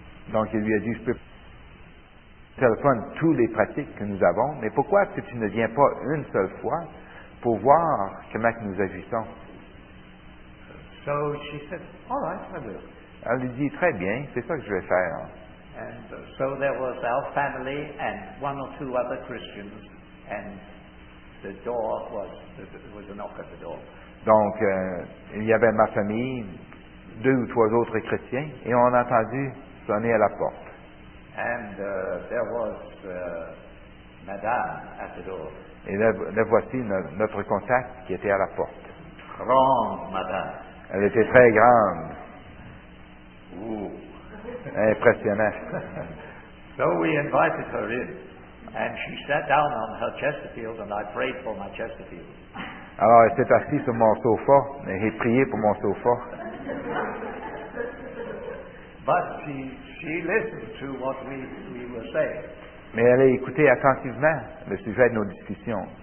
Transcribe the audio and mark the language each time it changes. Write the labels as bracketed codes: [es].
[fr] Donc il lui a dit, je peux téléphoner toutes les pratiques que nous avons, mais pourquoi est-ce que tu ne viens pas une seule fois pour voir comment nous agissons? [en] So she said, all right, I will. [fr] Elle lui dit, très bien, c'est ça que je vais faire. [en] And so there was our family and one or two other Christians, and the door was a knock at the door. [fr] Donc il y avait ma famille, deux ou trois autres chrétiens, et on a entendu sonner à la porte. [en] And there was Madame at the door. [fr] Et la voici notre contact qui était à la porte. Grande Madame. Elle était très grande. Ooh. Impressionnante. [en] So we invited her in, and she sat down on her Chesterfield, and I prayed for my Chesterfield. [fr] Alors elle s'est assise sur mon sofa, et j'ai prié pour mon sofa. [en] But she listened to what we were saying. [fr] Mais elle a écouté attentivement le sujet de nos discussions.